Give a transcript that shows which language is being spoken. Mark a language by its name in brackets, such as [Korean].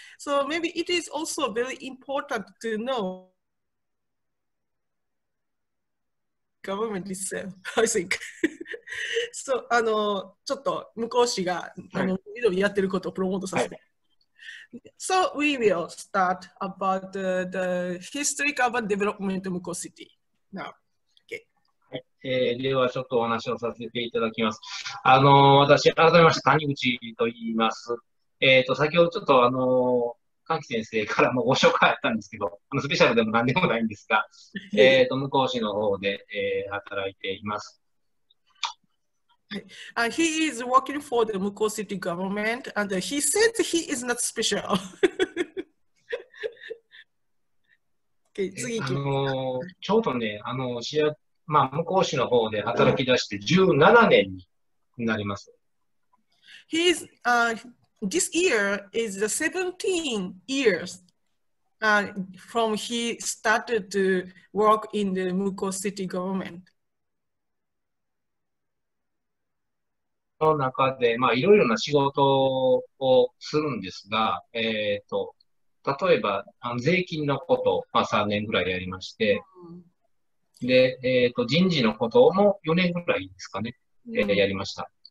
[English] So maybe it is also very important to know government itself, I think. [Japanese] So, ちょっと向こう市が、はい、緑やってることをプロモートさせて。 [English] はい、so, we will start about the history of development of 向こう city now. Okay. [Japanese] はい、ではちょっとお話をさせていただきます。私、改めまして谷口と言います。先ほどちょっと関木先生からもご紹介あったんですけど、スペシャルでも何でもないんですが、向こう市の方で、働いています。 [English] He is working for the Mukou City government, and he says he is not special. [Japanese] Okay, 次行きます。ちょうどね、市役、まあ、向こう市の方で働き出して17年になります。 [English] He is, this year is the 17 years from he started to work in the Muko City government. [Japanese] の中で、まあ、いろいろな仕事をするんですが、例えば、税金のこと、まあ、3年ぐらいやりまして、で、人事のことも4年ぐらいですかね、やりました。